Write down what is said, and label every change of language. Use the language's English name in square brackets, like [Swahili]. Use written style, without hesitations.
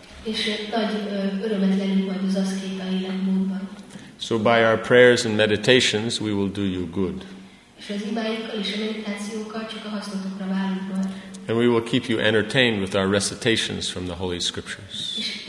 [Hungarian] És nagy örömet lenni majd az aszkéta életmódban. [English] So by our prayers and meditations, we will do you good. [Hungarian] És az imáinkkal és a meditációkkal csak a hasznotokra válunk majd. [English] And we will keep you entertained with our recitations from the Holy Scriptures.